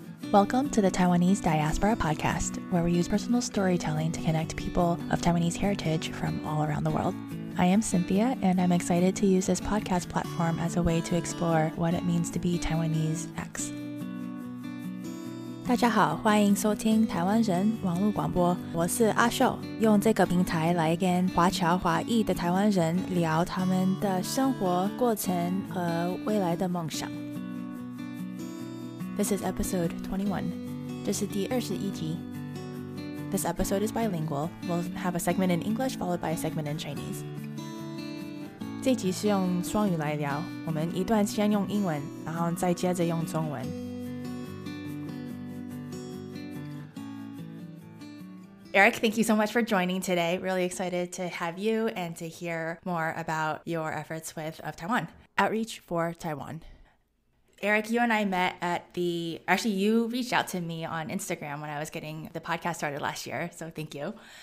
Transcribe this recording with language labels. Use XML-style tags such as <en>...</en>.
<en>Welcome to the Taiwanese Diaspora Podcast, where we use personal storytelling to connect people of Taiwanese heritage from all around the world. I am Cynthia, and I'm excited to use this podcast platform as a way to explore what it means to be Taiwanese X.</en> <zh>大家好，欢迎收听台湾人网络广播，我是阿秀，用这个平台来跟华侨华裔的台湾人聊他们的生活过程和未来的梦想。</zh> <en>This is episode 21.</en> <zh>这是第21集。</zh> <en>This episode is bilingual. We'll have a segment in English followed by a segment in Chinese.</en> <zh>这集是用双语来聊，我们一段先用英文，然后再接着用中文。</zh> <en>Eric, thank you so much for joining today. Really excited to have you and to hear more about your efforts with Of Taiwan. Outreach for Taiwan. Eric, you and I met at the... Actually, you reached out to me on Instagram when I was getting the podcast started last year, so thank you.</en>